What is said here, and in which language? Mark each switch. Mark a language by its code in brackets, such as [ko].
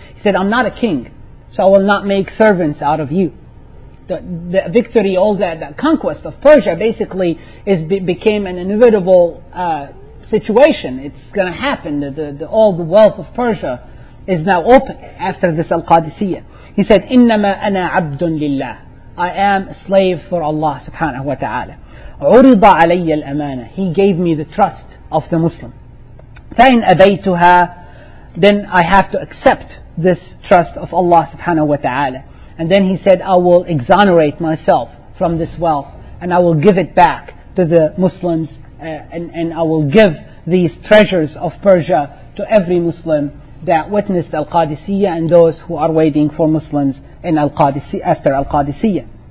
[en] He said, I'm not a king, so I will not make servants out of you. The victory, all that conquest of Persia basically became an inevitable situation. It's going to happen. The all the wealth of Persia is now open after this Al-Qadisiyah. He said, [ar] إِنَّمَا أَنَا عَبْدٌ لِلَّهِ. [en] I am a slave for Allah subhanahu wa ta'ala. [ar] عُرِضَ عَلَيَّ الْأَمَانَةِ. [en] He gave me the trust of the Muslim. [ar] فَإِنْ أَبَيْتُهَا. [en] Then I have to accept this trust of Allah subhanahu wa ta'ala. And then he said, I will exonerate myself from this wealth and I will give it back to the Muslims and I will give these treasures of Persia to every Muslim that witnessed Al-Qadisiyah and those who are waiting for Muslims in Al-Qadisiyah, after Al-Qadisiyah.